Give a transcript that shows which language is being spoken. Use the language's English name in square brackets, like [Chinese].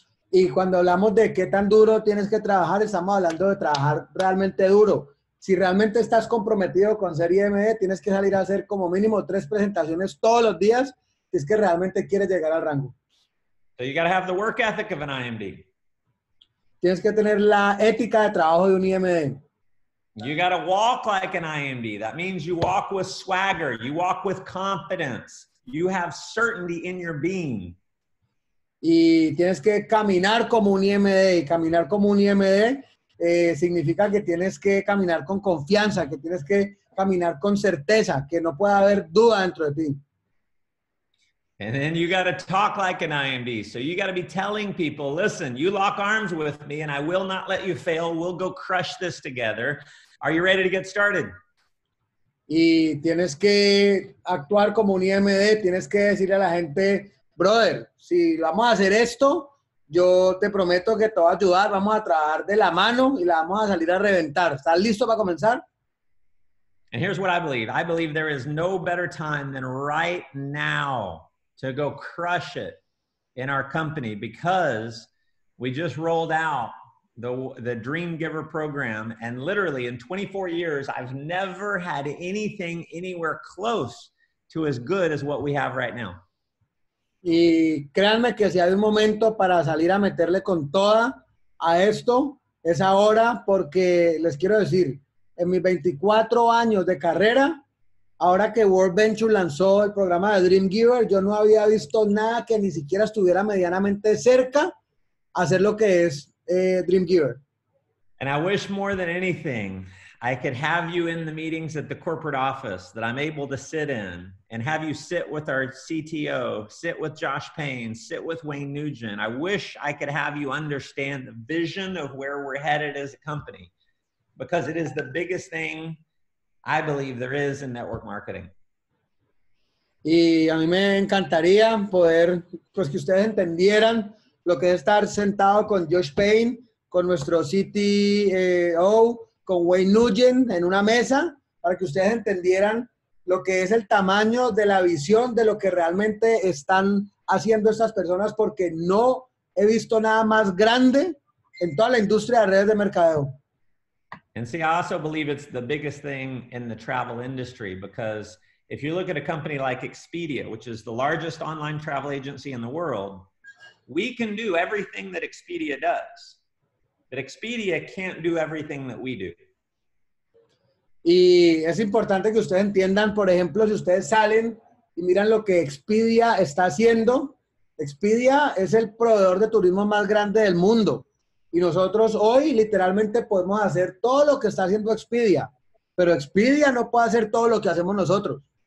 [Spanish] Y cuando hablamos de qué tan duro tienes que trabajar, estamos hablando de trabajar realmente duro. Si realmente estás comprometido con ser IMD, tienes que salir a hacer como mínimo 3 presentaciones todos los días si es que realmente quieres llegar al rango. [English] So you got to have the work ethic of an IMD. [Spanish] Tienes que tener la ética de trabajo de un IMD. [English] You got to walk like an IMD. That means you walk with swagger. You walk with confidence. You have certainty in your being. [Spanish] Y tienes que caminar como un IMD. Caminar como un IMD significa que tienes que caminar con confianza, que tienes que caminar con certeza, que no puede haber duda dentro de ti. [English] And then you got to talk like an IMD. So you got to be telling people, listen, you lock arms with me and I will not let you fail. We'll go crush this together. Are you ready to get started? [Spanish] Y tienes que actuar como un IMD. Tienes que decirle a la gente, brother, si vamos a hacer esto, yo te prometo que te voy a ayudar. Vamos a trabajar de la mano y la vamos a salir a reventar. ¿Estás listo para comenzar? [English] And here's what I believe. I believe there is no better time than right now to go crush it in our company, because we just rolled out the Dream Giver program, and literally in 24 years, I've never had anything anywhere close to as good as what we have right now. [Spanish] Y créanme que si hay un momento para salir a meterle con toda a esto, es ahora, porque les quiero decir, en mis 24 años de carrera, ahora que World Venture lanzó el programa de Dream Giver, yo no había visto nada que ni siquiera estuviera medianamente cerca a hacer lo que es Dream Giver. [English] And I wish more than anything I could have you in the meetings at the corporate office that I'm able to sit in and have you sit with our CTO, sit with Josh Payne, sit with Wayne Nugent. I wish I could have you understand the vision of where we're headed as a company, because it is the biggest thing I believe there is in network marketing. [Spanish] Y a mí me encantaría poder, pues que ustedes entendieran lo que es estar sentado con Josh Payne, con nuestro CTO, con Wayne Nugent en una mesa, para que ustedes entendieran lo que es el tamaño de la visión de lo que realmente están haciendo estas personas, porque no he visto nada más grande en toda la industria de redes de mercadeo. [English] And see, I also believe it's the biggest thing in the travel industry, because if you look at a company like Expedia, which is the largest online travel agency in the world, we can do everything that Expedia does, but Expedia can't do everything that we do. [Spanish] Y es importante que ustedes entiendan, por ejemplo, si ustedes salen y miran lo que Expedia está haciendo, Expedia es el proveedor de turismo más grande del mundo. Y nosotros hoy literalmente podemos hacer todo lo que está haciendo Expedia, pero Expedia no puede hacer todo lo que hacemos nosotros.